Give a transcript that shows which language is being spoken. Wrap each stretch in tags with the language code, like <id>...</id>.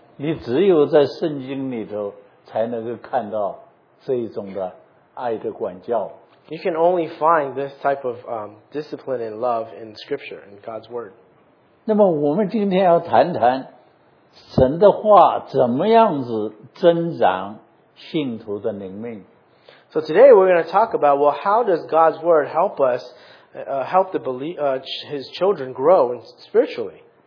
<zh>你只有在圣经里头, 才能够看到, 这一种的爱的管教。</zh> <en>You can only find this type of discipline and love in Scripture, in God's Word.</en> <zh>那么我们今天要谈谈神的话怎么样子增长信徒的灵命。</zh> <en>So today we're going to talk about, well, how does God's Word help us, help the His children grow spiritually?</en>